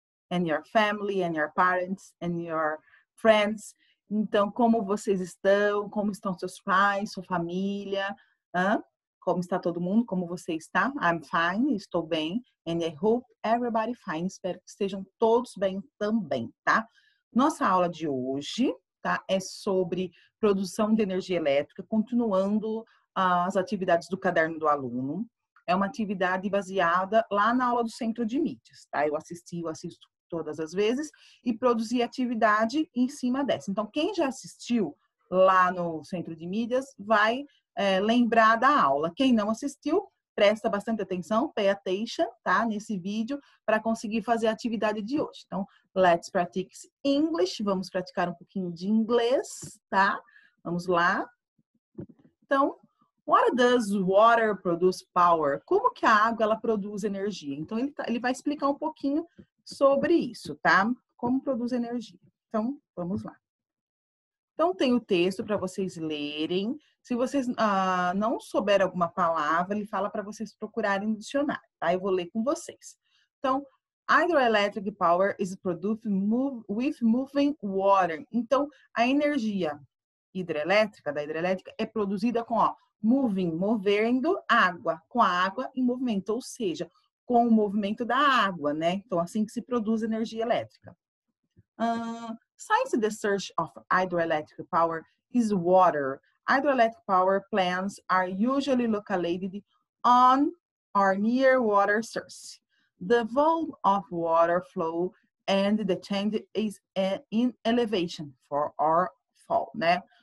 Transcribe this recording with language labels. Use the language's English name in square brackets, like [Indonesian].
[English] And your family and your parents and your friends? [Portuguese] Então, como vocês estão? Como estão seus pais, sua família? Como está todo mundo? Como você está? [English] I'm fine. [Portuguese] Estou bem. [English] And I hope everybody fine. [Portuguese] Espero que estejam todos bem também, tá? Nossa aula de hoje, tá, é sobre produção de energia elétrica, continuando as atividades do caderno do aluno. É uma atividade baseada lá na aula do centro de mídias, tá? Eu assisti, eu assisto todas as vezes e produzi atividade em cima dessa. Então, quem já assistiu lá no centro de mídias vai lembrar da aula. Quem não assistiu, presta bastante atenção, [English] pay attention, [Portuguese] tá? Nesse vídeo, para conseguir fazer a atividade de hoje. Então, [English] let's practice English. [Portuguese] Vamos praticar um pouquinho de inglês, tá? Vamos lá. [English] Então, what does water produce power? [Portuguese] Como que a água, ela produz energia? Então, ele vai explicar um pouquinho sobre isso, tá? Como produz energia. Então, vamos lá. Então, tem o texto para vocês lerem. Se vocês não souberem alguma palavra, ele fala para vocês procurarem no dicionário, tá? Eu vou ler com vocês. [English] Então, hydroelectric power is produced with moving water. [Portuguese] Então, a energia hidrelétrica, da hidrelétrica, é produzida com, ó, moving, movendo água, com a água em movimento, ou seja, com o movimento da água, né? Então, assim que se produz energia elétrica. [English] Since the source of hydroelectric power is water, hydroelectric power plants are usually located on or near water sources. The volume of water flow and the change is in elevation for our fall, né?